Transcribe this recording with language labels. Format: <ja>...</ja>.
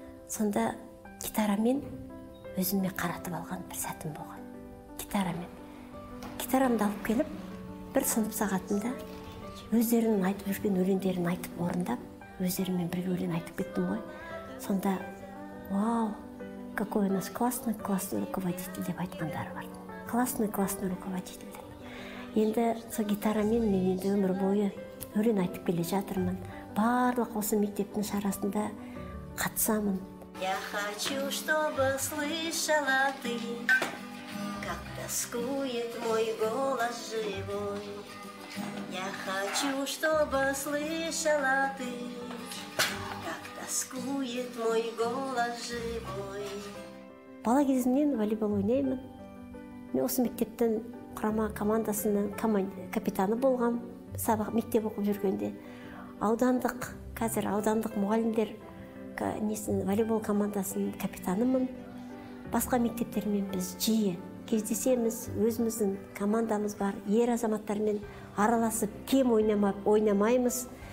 <kk>Сонда гитарамен өзіме қаратып алған бір сәтім болған. Гитарамен. Гитарамды алып келіп, бір сынып сағатында өздерінің айтып жүрген өлеңдерін айтып орындап, өздерімен бірге өлең айтып кеттім ғой. Сонда, вау!</kk> <ru>Какой у нас классный руководитель</ru> <kk>деп айтқандары бар.</kk> <ru>Классный руководитель деп.</ru> <kk>Енді со гитарамен мен енді өмір бойы өрен айтып келе жатырмын. Барлық осы мектептің шарасында қатысамын.</kk> <ru>Я хочу, чтобы слышала ты, как тоскует мой голос живой. Я хочу, чтобы слышала ты, тоскует мой голос живой.</ru> <kk>Бала кезімнен волейбол ойнаймын. Мен осы мектептің құрама командасының капитаны болғам, сабақ мектеп оқып жүргенде. Аудандық мұғалімдер волейбол командасының капитанымын. Басқа мектептермен біз жиі кездесеміз, өзіміздің командамыз бар, ер азаматтармен араласып, кем ойнамаймыз.</kk>